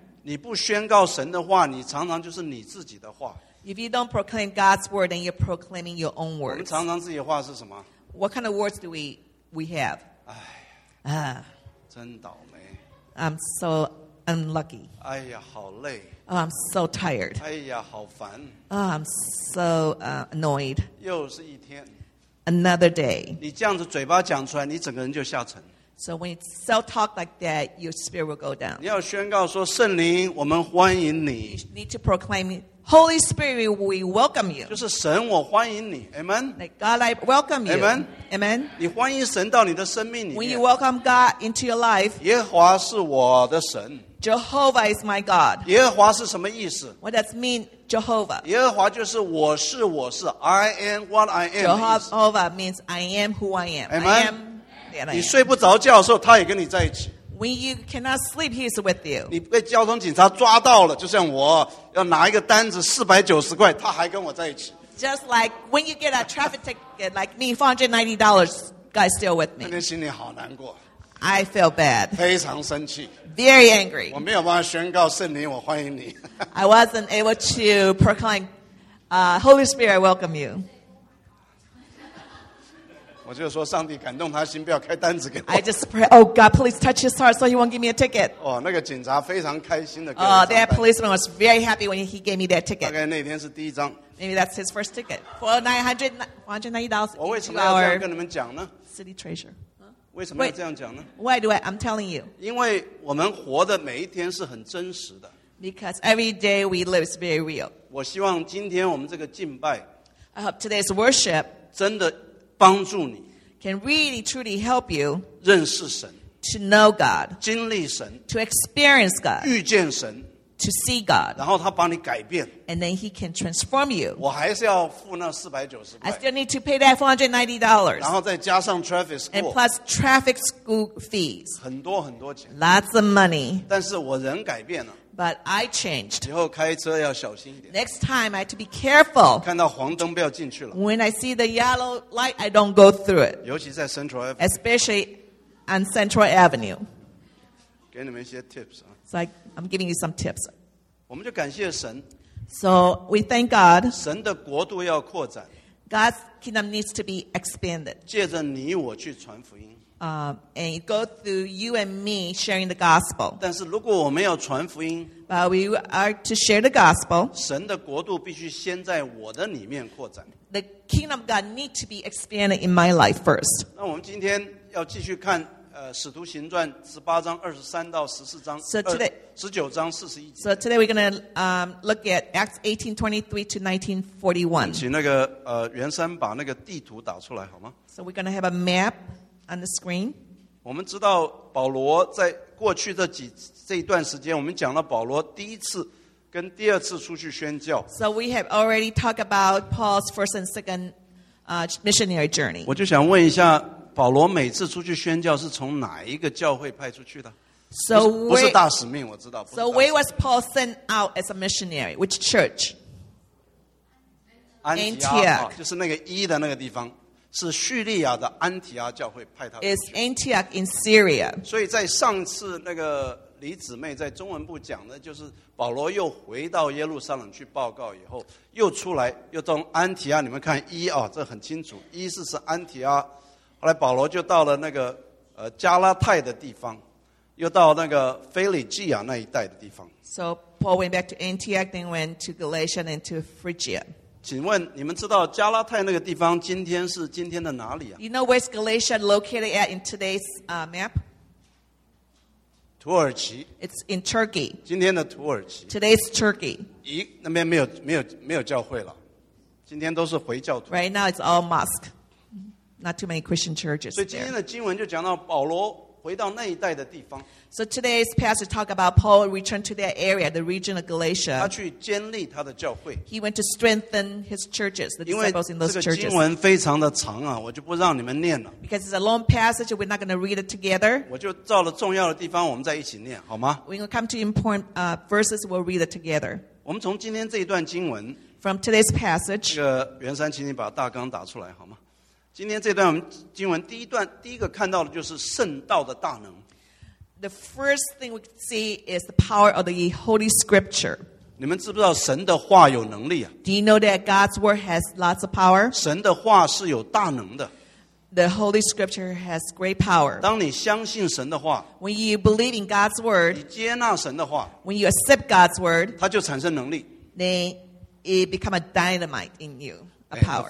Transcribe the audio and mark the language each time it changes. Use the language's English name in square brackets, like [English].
[Chinese] 你不宣告神的话, 你常常就是你自己的话。 [English] If you don't proclaim God's word, then you're proclaiming your own words. [Chinese] 我们常常自己的话是什么? [English] What kind of words do we have? [Chinese] 哎呀, 真倒霉。 [English] I'm so unlucky. [Chinese] 哎呀, 好累。 [English] Oh, I'm so tired. [Chinese] 哎呀, 好烦。 [English] Oh, I'm so annoyed. [Chinese] 又是一天。 [English] Another day. [Chinese] 你这样子嘴巴讲出来, 你整个人就下沉。 [English] So when you self-talk like that, your spirit will go down. [Chinese] 你要宣告说, 圣灵, 我们欢迎你。 [English] You need to proclaim, Holy Spirit, we welcome you. [Chinese] 就是神, 我欢迎你, Amen? [English] Like God, I welcome you. Amen? Amen? [Chinese] 你欢迎神到你的生命里面。 [English] When you welcome God into your life, [Chinese] 耶和华是我的神。 [English] Jehovah is my God. [Chinese] 耶和华是什么意思? [English] What does mean Jehovah? [Chinese] 耶和华就是我是我是, [English] I am what I am. Jehovah means I am who I am. Amen? I am. [Chinese] 你睡不着觉的时候，他也跟你在一起。 [English] When you cannot sleep, he's with you. [Chinese] 你被交通警察抓到了，就像我要拿一个单子490块，他还跟我在一起。 [English] Just like when you get a traffic ticket, like me, $490, guy's still with me. [Chinese] 那天心里好难过。 [English] I feel bad. [Chinese] 非常生气。 [English] Very angry. [Chinese] 我没有办法宣告圣灵，我欢迎你。 [English] I wasn't able to proclaim, Holy Spirit, I welcome you. [Chinese] 我就说上帝感动他心，不要开单子给我。 [English] I just pray, oh God, please touch his heart so he won't give me a ticket. [Chinese] 哦，那个警察非常开心的给我张单。 [English] Oh, that policeman was very happy when he gave me that ticket. [Chinese] 大概那天是第一张。 [English] Maybe that's his first ticket. For $990. [Chinese] 我为什么要这样跟你们讲呢? [English] City treasure. [Chinese] 为什么要这样讲呢? [English] Wait, why do I? I'm telling you. [Chinese] 因为我们活的每一天是很真实的。 [English] Because every day we live is very real. [Chinese] 我希望今天我们这个敬拜。 [English] I hope today's worship. [Chinese] 真的。帮助你, [English] can really truly help you [Chinese] 认识神, [English] to know God, [Chinese] 经历神, [English] to experience God, [Chinese] 遇见神, [English] to see God, [Chinese] 然后他帮你改变, [English] and then he can transform you. [Chinese] 我还是要付那490块, [English] I still need to pay that $490. [Chinese] 然后再加上 traffic school, [English] and plus traffic school fees. [Chinese] 很多很多钱, [English] lots of money. [Chinese] 但是我人改变了, [English] but I changed. [Chinese] 以后开车要小心一点。 [English] Next time, I have to be careful. [Chinese] 看到黄灯不要进去了。 [English] When I see the yellow light, I don't go through it. [Chinese] 尤其在 Central Avenue. [English] Especially on Central Avenue. [Chinese] 给你们一些 tips, 啊。 [English] So I'm giving you some tips. [Chinese] 我们就感谢神。 [English] So we thank God. [Chinese] 神的国度要扩展。 [English] God's kingdom needs to be expanded. [Chinese] 借着你我去传福音。 [English] And it goes through you and me sharing the gospel. [Chinese] 但是如果我们要传福音, [English] but we are to share the gospel. [Chinese] 神的国度必须先在我的里面扩展。 [English] The kingdom of God needs to be expanded in my life first. [Chinese] 那我们今天要继续看, 使徒行传18章23到14章, [English] so today, [Chinese] 19章41节。 [English] So today we're going to look at Acts 18:23 to 19:41. [Chinese] 请那个, 袁山把那个地图打出来好吗? [English] So we're going to have a map on the screen. [Chinese] 我们知道保罗在过去这段时间我们讲了保罗第一次跟第二次出去宣教。 [English] So we have already talked about Paul's first and second missionary journey. [Chinese] 我就想问一下, 保罗每次出去宣教是从哪一个教会派出去的？ [English] So [Chinese] 不是大使命，我知道。 [English] So where was Paul sent out as a missionary? Which church? [Chinese] Antioch, 就是那个一的那个地方，是叙利亚的安提阿教会派他。 [English] Is Antioch in Syria? [Chinese] 所以在上次那个李姊妹在中文部讲的，就是保罗又回到耶路撒冷去报告以后，又出来又从安提阿，你们看一啊，这很清楚，一是安提阿。后来保罗就到了那个加拉太的地方，又到那个腓立基亚那一带的地方。 [English] So Paul went back to Antioch, then went to Galatia and to Phrygia. [Chinese] 请问你们知道加拉太那个地方今天是今天的哪里啊？ [English] You know where's Galatia located at in today's map? [Chinese] 土耳其。 [English] It's in Turkey. [Chinese] 今天的土耳其。 [English] Today's Turkey. [Chinese] 咦，那边没有教会了，今天都是回教徒。 [English] Right now it's all mosque. Not too many Christian churches. [Chinese] 所以今天的经文就讲到保罗回到那一带的地方。 [English] So today's passage talk about Paul returned to that area, the region of Galatia. [Chinese] 他去建立他的教会。 [English] He went to strengthen his churches, the disciples in those churches. [Chinese] 因为这个经文非常的长啊，我就不让你们念了。 [English] Because it's a long passage, we're not going to read it together. [Chinese] 我就照了重要的地方，我们再一起念，好吗 [English] ？We're going to come to important verses. We'll read it together. [Chinese] 我们从今天这一段经文。 [English] From today's passage. [Chinese] 这个袁山，请你把大纲打出来，好吗？今天这段经文第一段第一个看到的就是圣道的大能。 [English] The first thing we see is the power of the Holy Scripture. [Chinese] 你们知不知道神的话有能力啊？ [English] Do you know that God's word has lots of power? [Chinese] 神的话是有大能的。 [English] The Holy Scripture has great power. [Chinese] 当你相信神的话， [English] When you believe in God's word, [Chinese] 你接纳神的话， [English] When you accept God's word, [Chinese] 它就产生能力。 [English] Then it become a dynamite in you, a power.